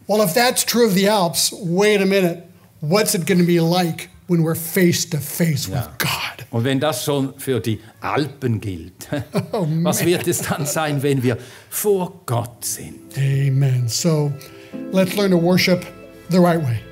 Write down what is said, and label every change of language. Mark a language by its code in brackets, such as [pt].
[en] Well, if that's true of the Alps, wait a minute. What's it going to be like when we're face to face with God? [de] Und wenn das schon für die Alpen gilt, was wird es dann sein, wenn wir vor Gott sind? [en] Amen. So, let's learn to worship the right way.